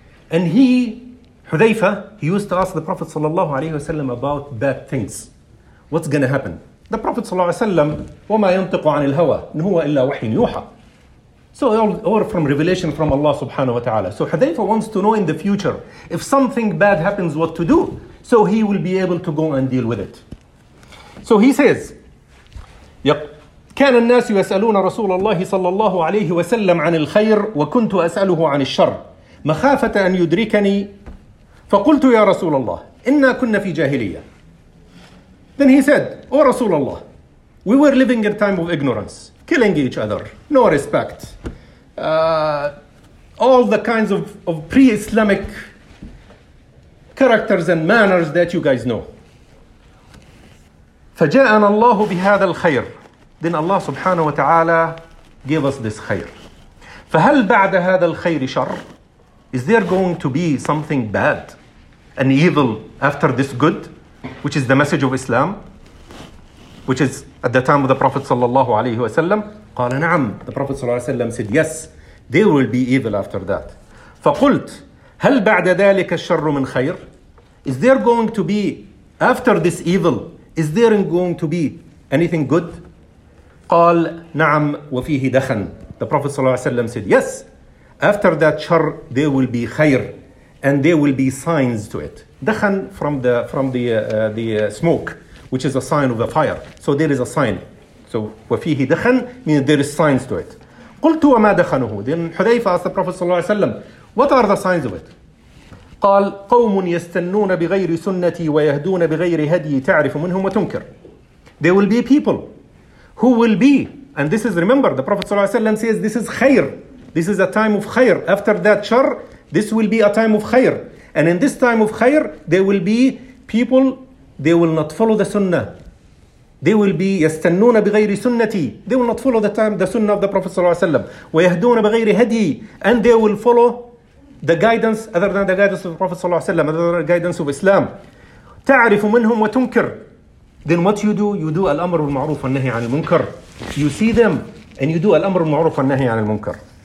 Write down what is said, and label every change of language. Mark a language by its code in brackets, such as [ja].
[en] And he, Hudhayfa, he used to ask the Prophet sallallahu alayhi wa sallam about bad things. What's going to happen? The Prophet [ar] sallallahu alayhi wa sallam, وَمَا يَنْطِقُ عَنِ الْهَوَىٰ نُهُوَ إِلَّا وَحِينُ يُوحَىٰ. [en] So or from revelation from Allah subhanahu wa ta'ala. So Hudhayfa wants to know in the future, if something bad happens, what to do? So he will be able to go and deal with it. [ar] So he says, كان الناس يسألون رسول الله صلى الله عليه وسلم عن الخير وكنت أسأله عن الشر مخافة أن يدركني فقلت يا رسول الله إنا كنا في جاهلية. [en] Then he said, O Rasulullah, we were living in a time of ignorance, killing each other, no respect, all the kinds of pre-Islamic characters and manners that you guys know. [ar] فجاءنا الله بهذا الخير. [en] Then Allah subhanahu wa ta'ala gave us this khair. [ar] فهل بعد هذا الخير شر? [en] Is there going to be something bad, an evil after this good, which is the message of Islam, which is at the time of the Prophet sallallahu alayhi wa sallam? [ar] قال نعم. [en] The Prophet sallallahu alayhi wa sallam said, yes, there will be evil after that. [ar] فقلت هل بعد ذلك الشر من خير? [en] Is there going to be, after this evil, is there going to be anything good? [ar] قال نعم وفيه دخن. [en] The Prophet sallallahu alayhi wa sallam said, yes, after that shar, there will be khair, and there will be signs to it. دخن from the smoke, which is a sign of a fire. So there is a sign. So [ar] وفيه دخن [en] means there is signs to it. [ar] قلت وما دخنه. [en] Then Hudhayfa asked the Prophet sallallahu alayhi wa sallam, what are the signs of it? [ar] قال قوم يستنون بغير سنتي ويهدون بغير هدي تعرف منهم وتنكر. [en] There will be people who will be, and this is, remember, the Prophet sallallahu alaihi wasallam says this is khair, this is a time of khair. After that shar, this will be a time of khair, and in this time of khair, there will be people, they will not follow the sunnah. They will be [ar] يستنون بغير سنتي. [en] They will not follow the time, the sunnah of the Prophet sallallahu alaihi wasallam. [ar] ويهدون بغير هدي. [en] And they will follow the guidance other than the guidance of the Prophet sallallahu alaihi wasallam, other than the guidance of Islam. [ar] تعرف منهم وتنكر. [en] Then what you do al-amr al-ma'ruf wa-nahi al-munkar. You see them and you do al-amr al-ma'ruf wa-nahi al-munkar.